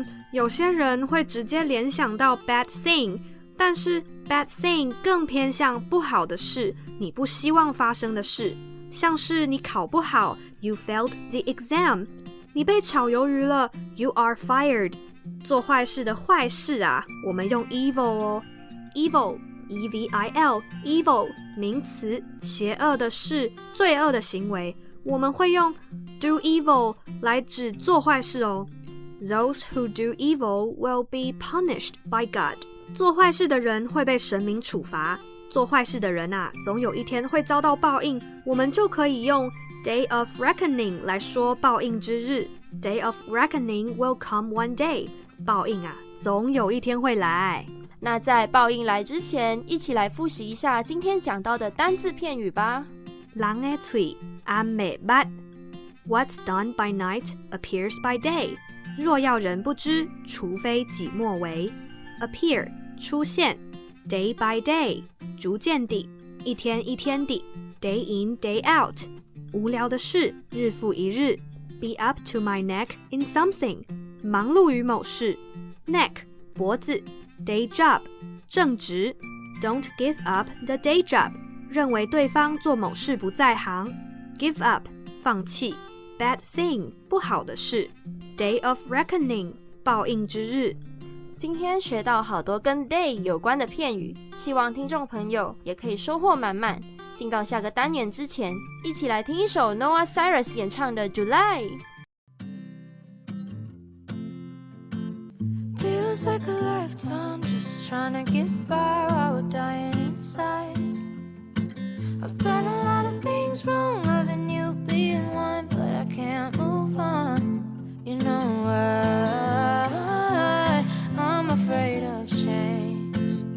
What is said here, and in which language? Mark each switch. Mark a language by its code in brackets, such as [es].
[zh] 有些人会直接联想到 bad thing， 但是 bad thing 更偏向不好的事，你不希望发生的事，像是你考不好 [en] you failed the exam， [zh] 你被炒鱿鱼了 [en] you are fired。 [zh] 做坏事的坏事啊，我们用 evil 哦， evil E-V-I-L evil 名词，邪恶的事，罪恶的行为，我们会用 do evil 来指做坏事哦。 [en] Those who do evil will be punished by God， [zh] 做坏事的人会被神明处罚。做坏事的人啊，总有一天会遭到报应，我们就可以用 day of reckoning 来说报应之日。 [en] Day of reckoning will come one day， [zh] 报应啊，总有一天会来。那在报应来之前，一起来复习一下今天讲到的单字片语吧。人的嘴暗未捌， [en] What's done by night appears by day， [zh] 若要人不知，除非己莫为。 Appear 出现， Day by day 逐渐地，一天一天地， Day in day out 无聊的事，日复一日。 [en] Be up to my neck in something， [zh] 忙碌于某事。 [en] Neck 脖子， Day job 正职。 Don't give up the day job， [zh] 认为对方做某事不在行。 Give up 放弃。 Bad thing 不好的事。 Day of reckoning 报应之日。今天学到好多跟 day 有关的片语，希望听众朋友也可以收获满满。进到下个单元之前，一起来听一首 Noah Cyrus 演唱的 July。 [en] Feels like a lifetime just trying to get by while we're dying insideI've done a lot of things wrong, loving you being one, but I can't move on. You know why I'm afraid of change.